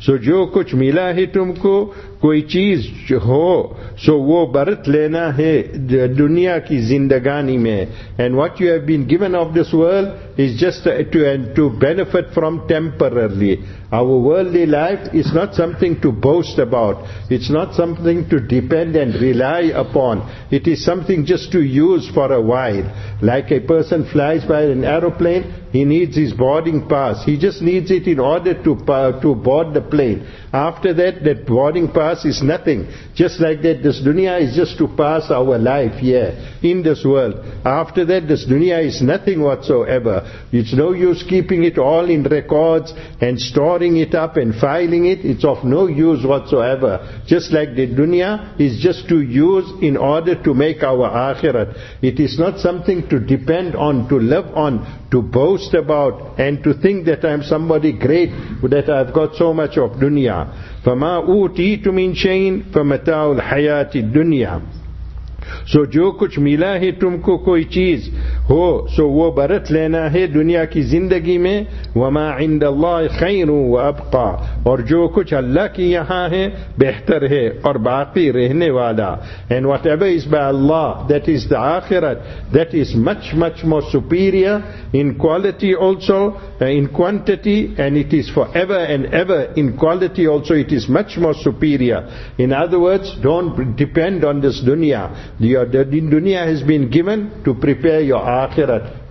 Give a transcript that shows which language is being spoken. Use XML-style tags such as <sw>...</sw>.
<ur>So jo kuch mila hai tumko, کوئی چیز ہو سو وہ برت لینا ہے دنیا کی زندگانی میں.</ur> <en>And what you have been given of this world is just to benefit from temporarily. Our worldly life is not something to boast about. It's not something to depend and rely upon. It is something just to use for a while. Like a person flies by an aeroplane, he needs his boarding pass. He just needs it in order to board the plane. After that boarding pass is nothing. Just like that, this dunya is just to pass our life here in this world. After that, this dunya is nothing whatsoever. It's no use keeping it all in records and storing it up and filing it. It's of no use whatsoever. Just like the dunya is just to use in order to make our akhirat. It is not something to depend on, to live on, to boast about, and to think that I'm somebody great, that I've got so much of dunya.</en> <ar>فَمَا أُوْتِيْتُ مِنْ شَيْنْ فَمَتَعُ الْحَيَاةِ الدُّنْيَا.</ar> <ur>So جو کچھ ملا ہے تم کو کوئی چیز ہو سو وہ برت لینا ہے دنیا کی زندگی میں.</ur> <ar>وَمَا عِنْدَ اللَّهِ خَيْرٌ وَأَبْقَى.</ar> <ur>اور جو کچھ اللہ کی یہاں ہے بہتر ہے اور باقی رہنے والا.</ur> <en>And whatever is by Allah, that is the akhirat, that is much much more superior in quality also, in quantity, and it is forever and ever. In quality also it is much more superior. In other words, don't depend on this dunya. Your dunya has been given to prepare your akhirat,</en>